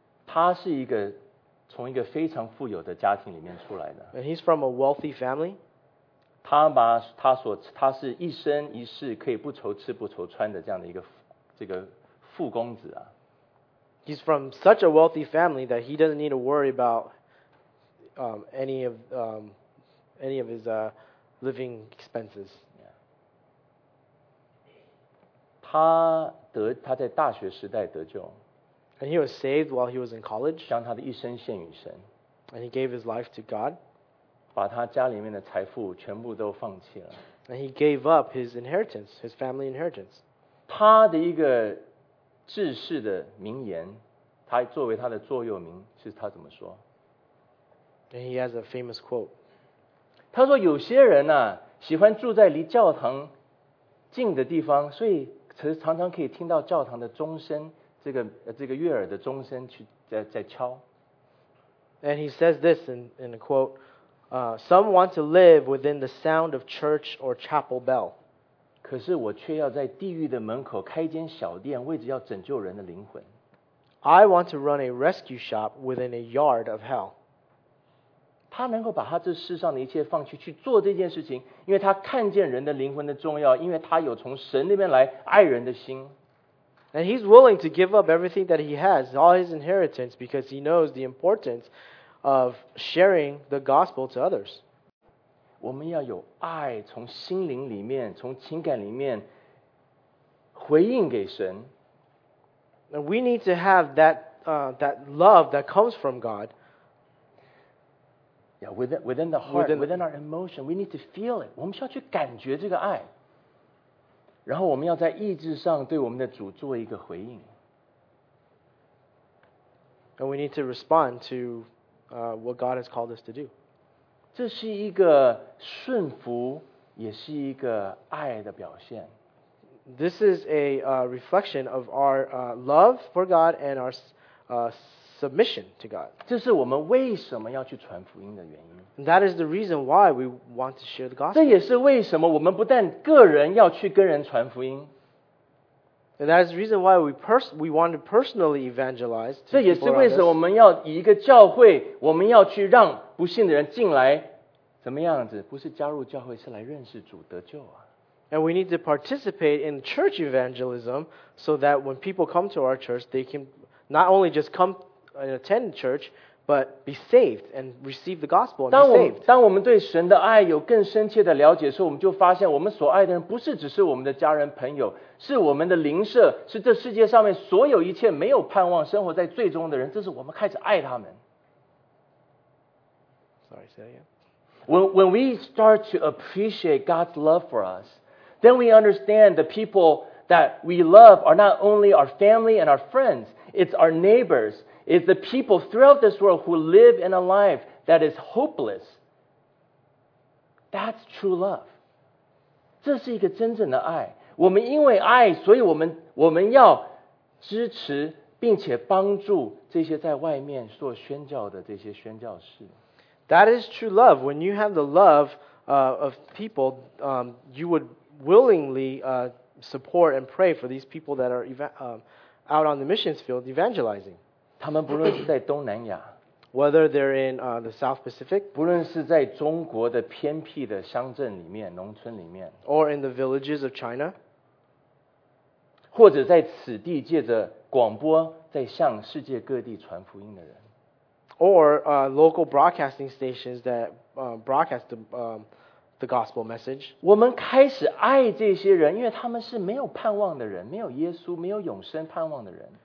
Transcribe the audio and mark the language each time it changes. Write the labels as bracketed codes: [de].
[zh] 他是一个从一个非常富有的家庭里面出来的。 [en] And he's from a wealthy family. [zh] 他是一生一世可以不愁吃不愁穿的这样的一个这个富公子啊。 [en] He's from such a wealthy family that he doesn't need to worry about any of his living expenses. [zh] Yeah. 他在大学时代得救。 [en] And he was saved while he was in college. [zh] 将他的一生献与神。 [en] And he gave his life to God. [zh] 把他家里面的财富全部都放弃了。 [en] And he gave up his inheritance, his family inheritance. [zh] 他的一个志士的名言，他作为他的座右铭，是他怎么说？ [en] And he has a famous quote. [zh] 他说有些人啊，喜欢住在离教堂近的地方，所以常常可以听到教堂的钟声。这个悦耳的钟声去在敲。 [en] And he says this in a quote, some want to live within the sound of church or chapel bell. [zh] 可是我却要在地狱的门口开间小店，为着要拯救人的灵魂。 [en] I want to run a rescue shop within a yard of hell. [zh] 他能够把他这世上的一切放弃去做这件事情，因为他看见人的灵魂的重要，因为他有从神那边来爱人的心。 [en] And he's willing to give up everything that he has, all his inheritance, because he knows the importance of sharing the gospel to others. [zh] 我们要有爱，从心灵里面，从情感里面回应给神。 [en] And we need to have that love that comes from God. Yeah, within the heart, within our emotion, we need to feel it. [zh] 我们需要去感觉这个爱。然后我们要在意志上对我们的主做一个回应。 [en] And we need to respond to what God has called us to do. [zh] 这是一个顺服，也是一个爱的表现。 [en] This is a reflection of our love for God and our submission to God. [zh] 这是我们为什么要去传福音的原因。 [en] That is the reason why we want to share the gospel. [zh] 这也是为什么我们不但个人要去跟人传福音。 [en] And that is the reason why we want to personally evangelize. [zh] 这也是为什么我们要以一个教会，我们要去让不信的人进来，怎么样子？不是加入教会，是来认识主得救啊。 [en] And we need to participate in church evangelism so that when people come to our church, they can not only just come and attend church. But be saved and receive the gospel and be saved. [zh] 当我们对神的爱有更深切的了解的时候，我们就发现我们所爱的人不是只是我们的家人朋友，是我们的邻舍，是这世界上面所有一切没有盼望生活在最终的人，这是我们开始爱他们。 [en] Sorry, say that again. When we start to appreciate God's love for us, then we understand the people that we love are not only our family and our friends, it's our neighbors. It's the people throughout this world who live in a life that is hopeless. That's true love. [zh] 这是一个真正的爱。我们因为爱，所以我们要支持并且帮助这些在外面做宣教的这些宣教士。 [en] That is true love. When you have the love of people, you would willingly support and pray for these people that are out on the missions field evangelizing. [zh] 他们不论是在东南亚 [en] whether they're in the South Pacific, [zh] 不论是在中国的偏僻的乡镇里面、农村里面 [en] or in the villages of China, [zh] 或者在此地借着广播在向世界各地传福音的人 [en] or local broadcasting stations that broadcast the gospel message, [zh] 我们开始爱这些人，因为他们是没有盼望的人，没有耶稣、没有永生盼望的人。